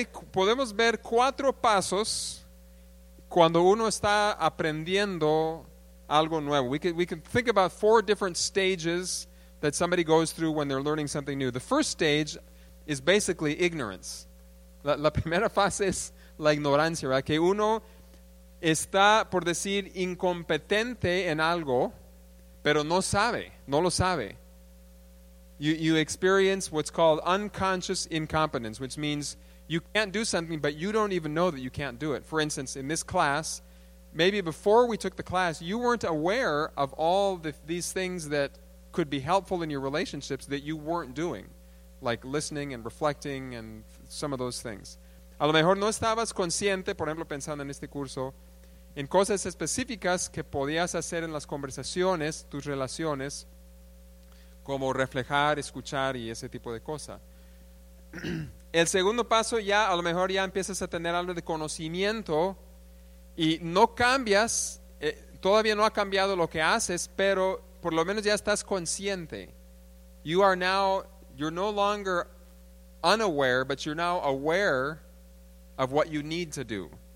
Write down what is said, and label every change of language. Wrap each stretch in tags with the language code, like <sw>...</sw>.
<es>Podemos ver cuatro pasos cuando uno está aprendiendo algo nuevo.</es> <en>We can think about four different stages that somebody goes through when they're learning something new. The first stage is basically ignorance.</en> <es>La primera fase es la ignorancia, ¿verdad? Que uno está, por decir, incompetente en algo, pero no sabe, no lo sabe.</es> <en>You experience what's called unconscious incompetence, which means you can't do something, but you don't even know that you can't do it. For instance, in this class, maybe before we took the class, you weren't aware of all these things that could be helpful in your relationships that you weren't doing, like listening and reflecting and some of those things.</en> <es>A lo mejor no estabas consciente, por ejemplo, pensando en este curso, en cosas específicas que podías hacer en las conversaciones, tus relaciones, como reflejar, escuchar y ese tipo de cosa. El segundo paso, ya a lo mejor ya empiezas a tener algo de conocimiento y no cambias, todavía no ha cambiado lo que haces, pero por lo menos ya estás consciente.</es> <en>You're no longer unaware, but you're now aware of what you need to do.</en>